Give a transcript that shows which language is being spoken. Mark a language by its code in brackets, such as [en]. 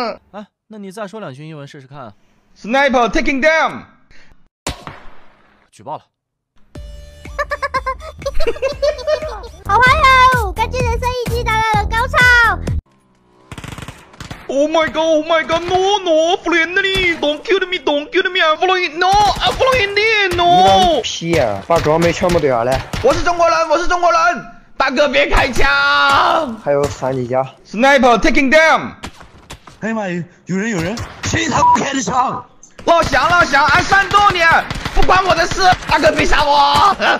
[zh] 啊，那你再说两句英文试试看。 [en] Sniper taking them。 [zh] 举报了。好朋友，感觉人生已经达到了高潮。 [en] Oh my god, oh my god, no, no, friendly, don't kill me, don't kill me, I'm following, no, I'm following me, no。 [zh] 你能屁啊，把装备全部丢下来。我是中国人，我是中国人，大哥别开枪。还有三几家。 [en] Sniper taking them。 [zh] 哎呀妈，有人有人，谁他妈开的枪？老翔老翔，俺煽动你，不关我的事，大哥别杀我。